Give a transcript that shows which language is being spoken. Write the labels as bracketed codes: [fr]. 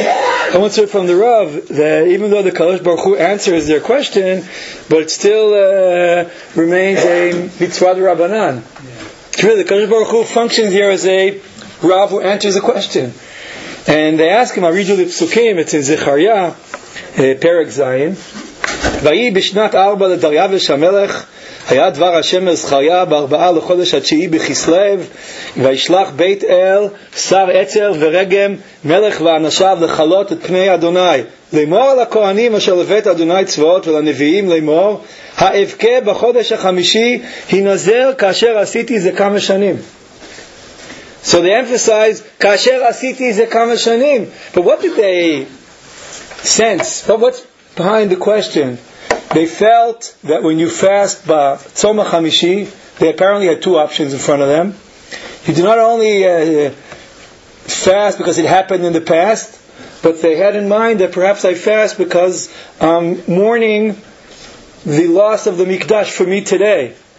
[en] I once heard from the Rav that even though the Kadosh Baruch Hu answers their question, but it still remains a mitzvah Rabbanan. Yeah. Really, the Kadosh Baruch Hu functions here as a Rav who answers a question. And they ask him, I read you the Psukim, it's in Zechariah, Perek Zayin. [he] Vayi bishnat arba l'daryavish ha-melech, היה דבר השם לזכריה בארבעה לחודש התשיעי בחיסלב, וישלח בית אל, שר עצר ורגם, מלך ואנשיו לחלות את פני אדוני. לאמור על הכהנים אשר לבית אדוני צבאות ולנביאים לאמור, האבכה בחודש החמישי הנזר כאשר עשיתי זה כמה שנים. [en] So they emphasize, [he] כאשר עשיתי זה כמה שנים. [en] But what did they sense? But what's behind the question? They felt that when you fast by Tzom HaChamishi, they apparently had two options in front of them. You do not only fast because it happened in the past, but they had in mind that perhaps I fast because I'm mourning the loss of the Mikdash for me today.